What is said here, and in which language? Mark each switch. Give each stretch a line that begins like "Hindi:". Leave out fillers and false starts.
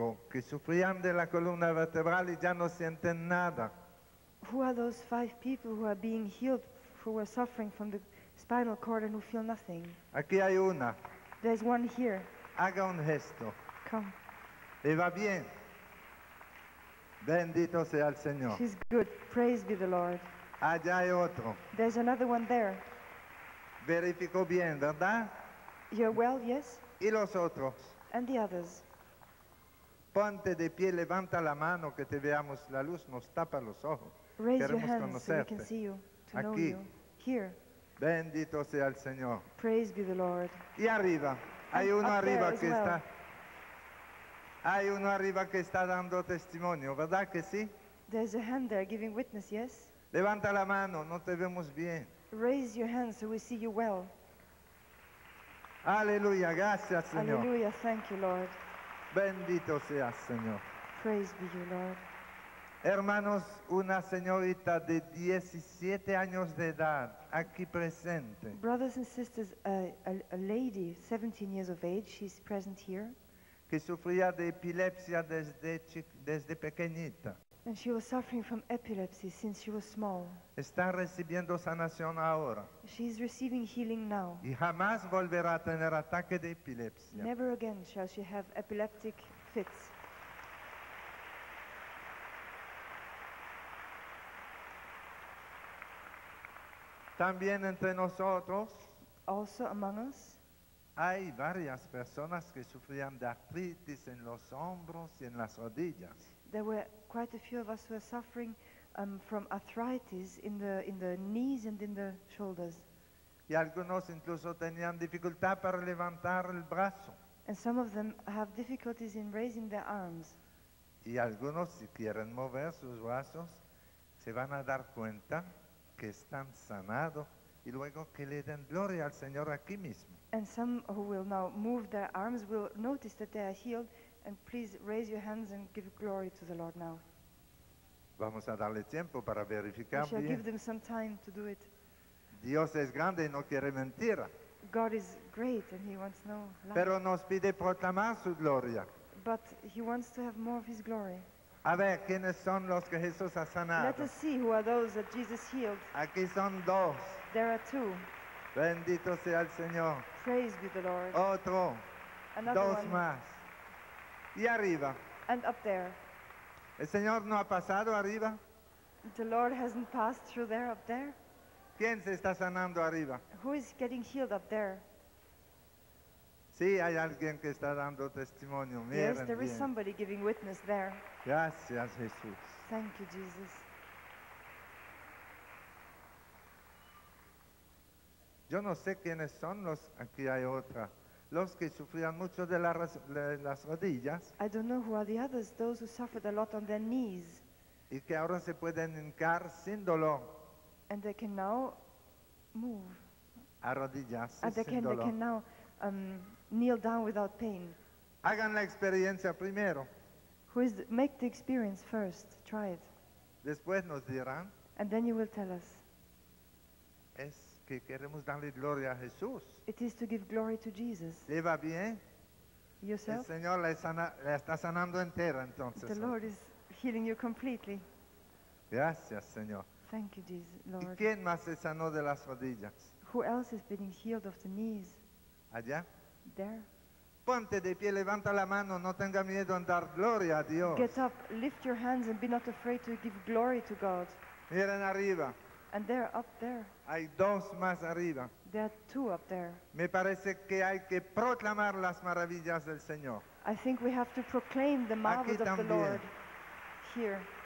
Spanish: que sufrían de la columna vertebral y ya no sienten nada.
English: Who are those five people who are being healed, who are suffering from the spinal cord and who feel nothing?
Spanish: Aquí hay una.
English: There's one here.
Spanish: Haga un gesto.
English: Come.
Spanish: Le va bien. Bendito sea el Señor.
English: She's good. Praise be the Lord.
Spanish: Allá hay otro.
English: There's another one there.
Spanish: Verificó bien, ¿verdad?
English: You're well, yes.
Spanish: Y los otros.
English: And the others.
Spanish: Ponte de pie, levanta la mano, que te veamos. La luz nos tapa los ojos.
English: Raise
Spanish: queremos
English: your hands
Spanish: conocerte.
English: So we can see you, to
Spanish: aquí.
English: Know you. Here.
Spanish: Bendito sea el Señor.
English: Praise be the Lord.
Spanish: Y arriba. Hay
English: and
Spanish: uno
English: up
Spanish: arriba
English: there
Spanish: que
English: well.
Spanish: Está. Hay uno arriba que está dando testimonio, ¿verdad que sí?
English: There's a hand there giving witness, yes?
Spanish: Levanta la mano, no te vemos bien.
English: Raise your hands so we see you well.
Spanish: Aleluya, gracias, Señor.
English: Aleluya, thank you, Lord.
Spanish: Bendito sea, Señor.
English: Praise be you, Lord.
Spanish: Hermanos, una señorita de 17 años de edad, aquí presente.
English: Brothers and sisters, a lady, 17 years of age, she's present here.
Spanish: Que sufría de epilepsia desde pequeñita.
English: And she was suffering from epilepsy since she was small.
Spanish: Está recibiendo sanación ahora.
English: She's receiving healing now.
Spanish: Y jamás volverá a tener ataque de epilepsia.
English: Never again shall she have epileptic fits.
Spanish: También entre nosotros.
English: Also among us.
Spanish: Hay varias personas que sufrían de artritis en los hombros y en las rodillas.
English: There were quite a few of us who are suffering from arthritis in the knees and in the shoulders.
Spanish: Y algunos incluso tenían dificultad para levantar el brazo.
English: And some of them have difficulties in raising their arms.
Spanish: Y algunos, si quieren mover sus brazos, se van a dar cuenta que están sanados y luego que le den gloria al Señor aquí mismo.
English: And some who will now move their arms will notice that they are healed. And please raise your hands and give glory to the Lord now.
Spanish: Vamos a darle tiempo para verificar.
English: We shall
Spanish: bien.
English: Give them some time to do it.
Spanish: Dios es grande y no quiere mentir.
English: God is great and he wants no lie.
Spanish: Pero nos pide proclamar su gloria.
English: But he wants to have more of his glory.
Spanish: A ver, ¿quiénes son los que Jesús ha sanado?
English: Let us see who are those that Jesus healed.
Spanish: Aquí son dos.
English: There are two.
Spanish: Bendito sea el Señor.
English: Praise be the Lord.
Spanish: Otro.
English: Another
Spanish: dos
English: one.
Spanish: Dos más. Y arriba.
English: And up there.
Spanish: ¿El Señor no ha pasado arriba?
English: The Lord hasn't passed through there, up there.
Spanish: ¿Quién se está sanando arriba?
English: Who is getting healed up there?
Spanish: Sí, hay alguien que está dando testimonio.
English: Yes,
Spanish: miren
English: there
Spanish: bien.
English: Is somebody giving witness there.
Spanish: Gracias, Jesús.
English: Thank you, Jesus.
Spanish: Yo no sé quiénes son los, aquí hay otra, los que sufrían mucho de las rodillas.
English: I don't know who are the others, those who suffered a lot on their knees.
Spanish: Y que ahora se pueden hincar sin dolor.
English: And they can now move.
Spanish: A rodillas,
English: and
Spanish: sin dolor.
English: They can now kneel down without pain.
Spanish: Hagan la experiencia primero.
English: Make the experience first, try it.
Spanish: Después nos dirán.
English: And then you will tell us.
Spanish: Es que queremos darle gloria a Jesús.
English: It is to give glory to Jesus.
Spanish: ¿Le va bien?
English: Yourself?
Spanish: El Señor la está sanando entera entonces.
English: The Lord is healing you completely.
Spanish: Gracias, Señor.
English: Thank you, Jesus, Lord.
Spanish: ¿Y quién más se sanó de las rodillas?
English: Who else is being healed of the knees?
Spanish: ¿Allá?
English: There.
Spanish: Ponte de pie, levanta la mano, no tenga miedo en dar gloria a Dios.
English: Get up, lift your hands and be not afraid to give glory to God.
Spanish: Miren arriba.
English: And there, up there.
Spanish: Hay dos más arriba.
English: There are two up there.
Spanish: Me parece que hay que proclamar las maravillas del Señor.
English: I think we have to proclaim the marvels of the Lord here.